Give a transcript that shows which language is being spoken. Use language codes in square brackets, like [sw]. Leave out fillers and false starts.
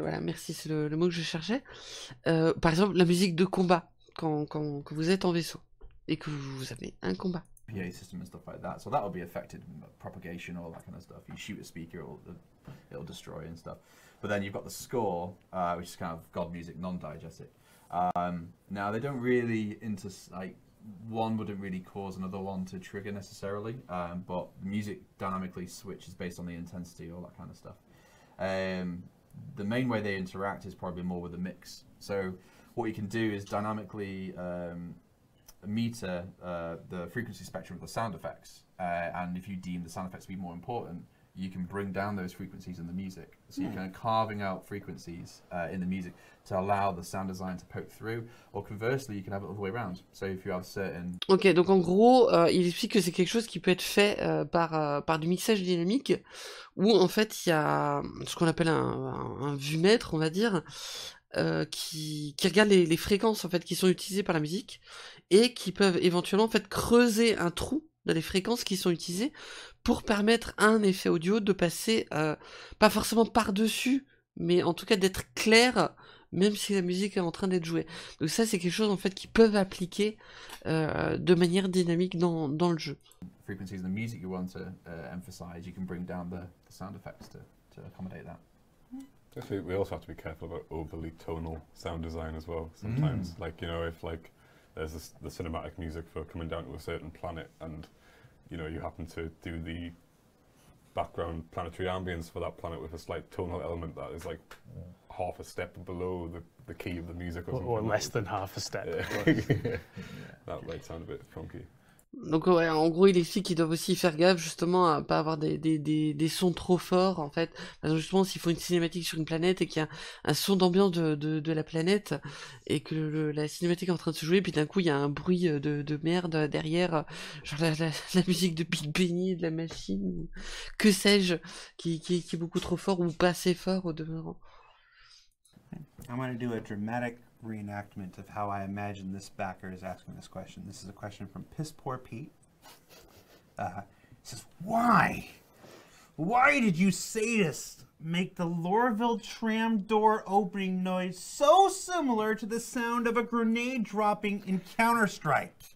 [fr] voilà, merci, c'est le mot que je cherchais. Par exemple, la musique de combat, quand vous êtes en vaisseau et que vous avez un combat. [en] PA system and stuff like that, so that will be affected, propagation, all that kind of stuff. You shoot a speaker, it'll destroy and stuff. But then you've got the score, which is kind of god music, non-diegetic. Now, they don't really one wouldn't really cause another one to trigger necessarily, but music dynamically switches based on the intensity, all that kind of stuff. The main way they interact is probably more with the mix. So what you can do is dynamically meter the frequency spectrum of the sound effects, and if you deem the sound effects to be more important, you can bring down those frequencies in the music. So you're kind of carving out frequencies in the music to allow the sound design to poke through, or conversely, you can have it all the way around. So if you have certain... [fr] Ok, donc en gros, il explique que c'est quelque chose qui peut être fait par du mixage dynamique, où en fait, il y a ce qu'on appelle un vu-mètre, on va dire, qui regarde les fréquences en fait, qui sont utilisées par la musique, et qui peuvent éventuellement en fait, creuser un trou dans les fréquences qui sont utilisées pour permettre à un effet audio de passer, pas forcément par-dessus, mais en tout cas d'être clair, même si la musique est en train d'être jouée. Donc ça, c'est quelque chose en fait qu'ils peuvent appliquer de manière dynamique dans le jeu. [en] Frequencies of the music you want to emphasize, you can bring down the sound effects to accommodate that. I think we also have to be careful about overly tonal sound design as well sometimes. Mm. Like, you know, if like there's the cinematic music for coming down to a certain planet and you know, you happen to do the background planetary ambience for that planet with a slight tonal element that is like half a step below the key of the music, or less than half a step. Yeah. Yeah. That might sound a bit funky. [fr] Donc ouais, en gros, il explique qu'ils doivent aussi faire gaffe justement à pas avoir des sons trop forts en fait. Parce que justement, s'ils font une cinématique sur une planète et qu'il y a un son d'ambiance de la planète et que la cinématique est en train de se jouer, puis d'un coup il y a un bruit de merde derrière, genre la musique de Big Benny, de la machine, ou que sais-je, qui est beaucoup trop fort ou pas assez fort au demeurant. [en] I'm gonna do a dramatic reenactment of how I imagine this backer is asking this question. This is a question from Piss Poor Pete. He says, why? Why did you sadists make the Lorville tram door opening noise so similar to the sound of a grenade dropping in Counter-Strike?